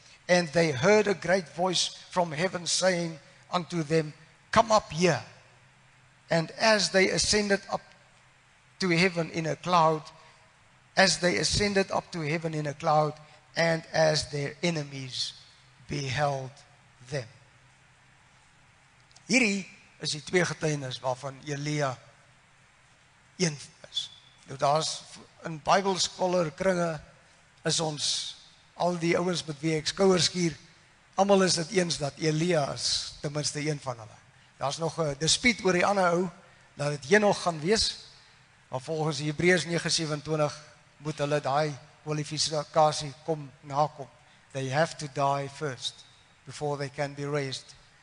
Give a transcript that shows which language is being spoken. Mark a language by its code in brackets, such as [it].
[en] And they heard a great voice from heaven saying unto them, come up here. And as they ascended up to heaven in a cloud, and as their enemies beheld them. [af] Hierdie is die twee getuienis waarvan Elia een is. Nou daar is in Bible scholar kringe is ons al die ouens met wie ek skouers skuur, almal is dit eens dat Elia is ten minste een van hulle. Daar is nog 'n dispuut oor die ander ou dat het Henog gaan wees, maar volgens Hebreërs 9:27 moet hulle daai kwalifikasie kom nakom. [en] They have to die first before they can be raised.